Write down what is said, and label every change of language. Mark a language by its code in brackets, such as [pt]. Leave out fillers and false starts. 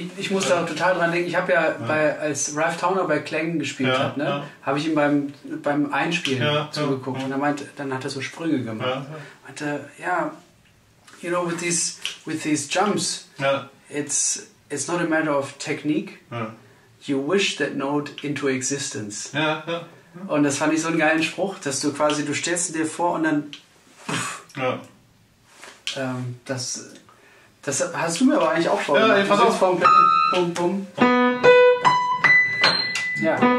[de] Ich muss da total dran denken. Ich habe ja, bei, als Ralph Towner bei Clang gespielt hat, ne, habe ich ihm beim Einspielen zugeguckt. Und er meinte, dann hat er so Sprünge gemacht. Meinte, [en] you know, with these jumps, it's not a matter of technique. You wish that note into existence. [de] Und das fand ich so einen geilen Spruch, dass du quasi, du stellst dir vor und dann Das hast du mir aber eigentlich auch vor. Ja, pass auf. Vom Bum, bum. Ja.